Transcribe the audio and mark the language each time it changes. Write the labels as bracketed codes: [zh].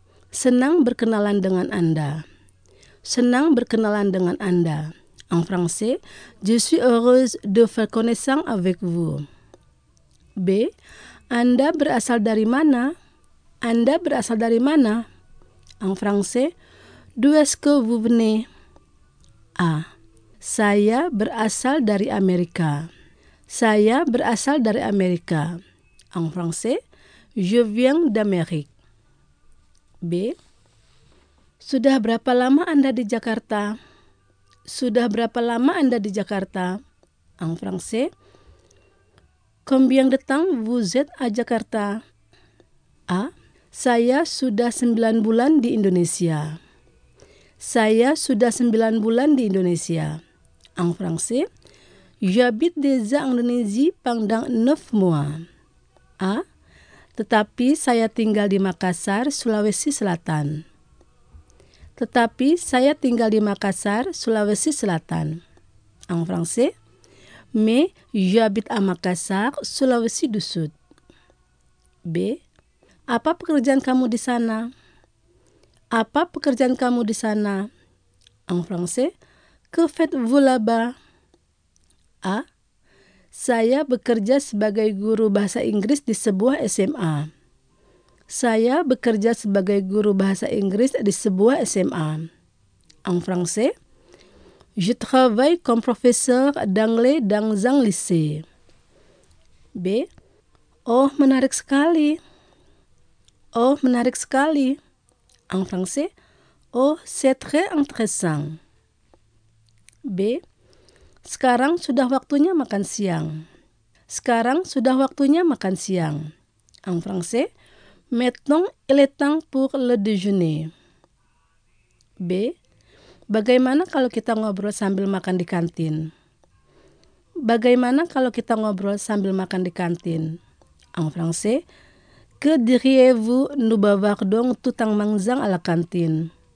[id] Senang berkenalan dengan Anda. Senang berkenalan dengan Anda. [fr] En français, je suis heureuse de faire connaissance avec vous. B. [id] Anda berasal dari mana? Anda berasal dari mana? [fr] En français, d'où est-ce que vous venez? A. [id] Saya berasal dari Amerika. Saya berasal dari Amerika. [fr] En français, je viens d'Amérique. B. [id] Sudah berapa lama Anda di Jakarta? Sudah berapa lama Anda di Jakarta? [fr] En français, combien de temps vous êtes à Jakarta? A. [id] Saya sudah 9 bulan di Indonesia. Saya sudah 9 bulan di Indonesia. [fr] En français, j'habite déjà en Indonésie pendant 9 mois. A. [id] Tetapi saya tinggal di Makassar, Sulawesi Selatan. Tetapi saya tinggal di Makassar, Sulawesi Selatan. [fr] En français, mais j'habite à Makassar, Sulawesi du Sud. B. [id] Apa pekerjaan kamu di sana? Apa pekerjaan kamu di sana? [fr] En français, que faites-vous là-bas? A. [id] Saya bekerja sebagai guru bahasa Inggris di sebuah SMA. Saya bekerja sebagai guru bahasa Inggris di sebuah SMA. [fr] En français, je travaille comme professeur d'anglais dans un lycée. B. [id] Oh, menarik sekali. Oh, menarik sekali. [fr] En français, oh, c'est très intéressant. B. [id] Sekarang sudah waktunya makan siang. Sekarang sudah waktunya makan siang. [fr] En français, maintenant il est temps pour le déjeuner. B. [id] Bagaimana kalau kita ngobrol sambil makan di kantin? Bagaimana kalau kita ngobrol sambil makan di kantin? [fr] En français, que diriez-vous nous bavardons tout en mangeant à la cantine?